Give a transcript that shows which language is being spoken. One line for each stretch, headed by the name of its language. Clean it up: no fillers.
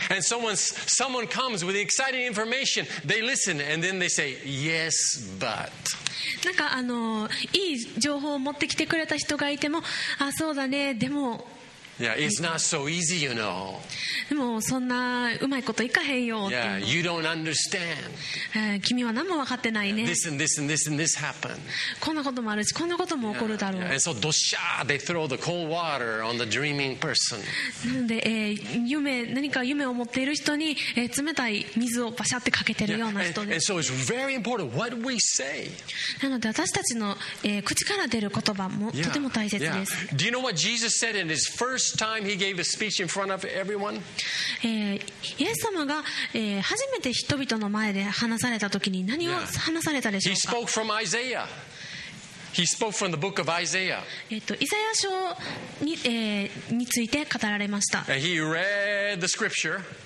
English: and someone comes with exciting information they listen and then they say yes but
Japanese: なんかいい情報を持ってきてくれた人がいてもあそうだねでも
English: Yeah, it's not so easy, you know.
Japanese: でもそんなうまいこといかへんよ。
English: Yeah, you don't understand.
Japanese: 君は何も分かってないね。
English: Yeah, this and this and this and this happen.
Japanese: こんなこともあるし、こんなことも起こるだろう。
English: Yeah, yeah. And so, どしゃー、they throw the cold water on the dreaming person.
Japanese: なので、夢、何か夢を持っている人に、冷たい水をバシャってかけてるような人です。
English: Yeah, and so it's very important what we say.
Japanese: なので私たちの、口から出る言葉も、yeah. とても大切です。 Yeah.
English: Do you know what Jesus said in his firstFirst time he gave a speech in front of everyone.
Japanese: イエス様が、初めて人々の前で話されたときに何を話されたでしょうか。
English: He spoke from Isaiah. He spoke from the book of Isaiah.
Japanese: イザヤ書に、について語られました。
English: He read the scripture.